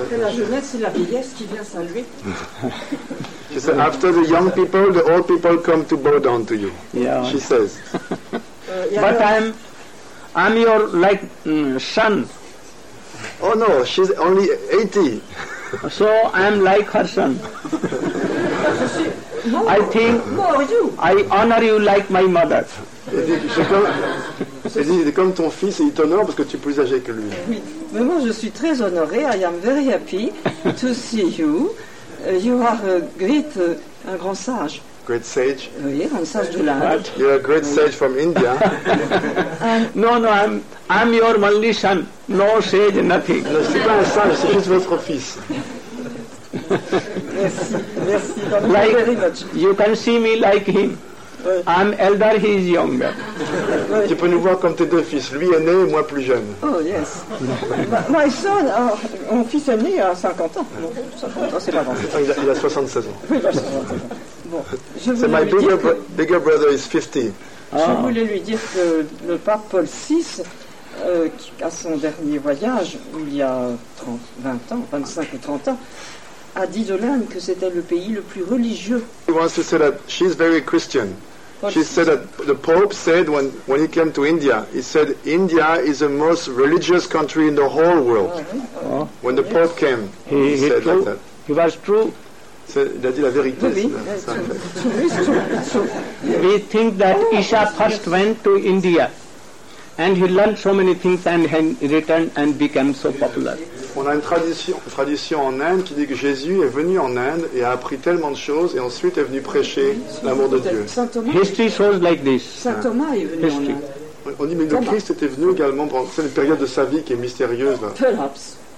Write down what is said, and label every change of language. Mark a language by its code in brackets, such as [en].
[fr] Après la jeunesse, c'est la vieillesse qui vient saluer. [en] She said, after the young people, the old people come to bow down to you. Yeah. She says. But I'm your, like, son. Oh, no, she's only 80. So I'm like her son. I think I honor you like my mother. [fr] Il dit, comme ton fils, il t'honore parce que tu es plus âgé que lui. Oui, mais moi je suis très honorée. I am very happy to see you. [en] You are a great, un grand sage. Great sage. [fr] Oui, grand sage de l'Inde. [en] You are a great sage from India. No, I'm your only son. No sage, nothing. [fr] Je ne suis pas un sage, c'est juste votre fils. Merci, merci. [en] Like, very much. You can see me like him. Oui. I'm elder, he is younger. Oui. [fr] Tu peux nous voir comme tes deux fils, lui aîné et moi plus jeune. [en] Oh yes. [fr] My son, mon fils aîné a 50 ans. Bon, 50 ans, c'est pas grand. Il a 76 ans. Oui, il a 76 ans. Bon, [en] c'est my bigger brother is 50. Ah. [fr] Je voulais lui dire que le pape Paul VI, à son dernier voyage, il y a 25 ou 30 ans, a dit de l'Inde que c'était le pays le plus religieux. [en] He wants to say that she's very Christian. She said that the Pope said when he came to India, he said India is the most religious country in the whole world. Oh. When the Pope came, he said like that. He was true. [fr] Il a dit la vérité. Oui, [en] we think that Isha first went to India. And he learned so many things and he returned and became so popular. [fr] On a une tradition en Inde qui dit que Jésus est venu en Inde et a appris tellement de choses et ensuite est venu prêcher l'amour de Dieu. [en] History shows like this. [fr] Saint Thomas est venu [en] History. [fr] En Inde. On dit mais le Christ était venu également pendant cette période de sa vie qui est mystérieuse. Là. [en] Perhaps.